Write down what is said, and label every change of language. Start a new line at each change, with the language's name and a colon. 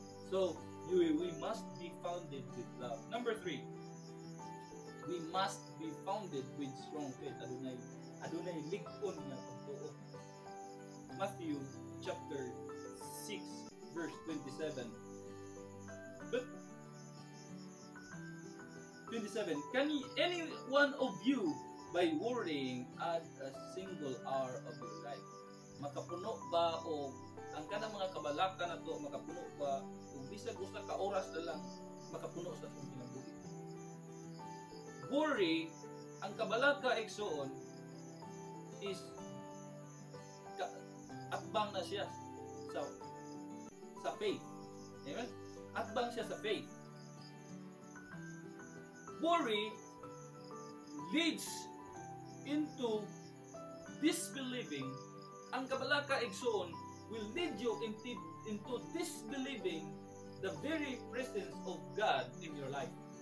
English: So, we must be founded with love. Number three, we must be founded with strong faith.
Cebuano: Adunay ligpon nga pagtuo.
English: Mathew chapter 6 verse 27. Can any one of you by worrying at a single hour of your life.
Cebuano: Makapuno ba o ang kanang mga kabalaka na to, makapuno ba kung bisag usa ka oras na lang makapuno sa itong kinabuhi. Worry, ang kabalaka eksoon is atbang na siya sa faith. Amen? Atbang siya sa faith.
English: Worry leads into disbelieving,
Cebuano: ang kabalaka eksoon
English: will lead you into disbelieving the very presence of God in your life.